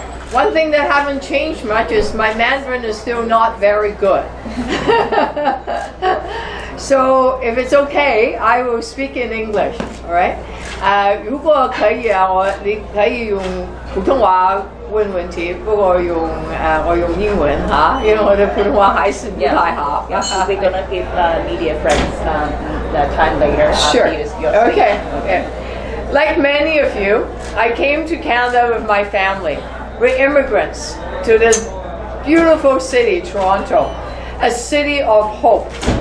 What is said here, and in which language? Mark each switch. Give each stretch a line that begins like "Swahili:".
English: One thing that haven't changed much is my Mandarin is still not very good. So if it's okay, I will speak in English. All right.
Chinese: 如果可以啊，你可以用普通话问问题，不过用我用英文哈，因为我的普通话还是不太好。
English: Yeah, we're gonna give media friends the time later. Sure. Okay. Like many of you, I came to Canada with my family. We're immigrants to this beautiful city, Toronto, a city of hope.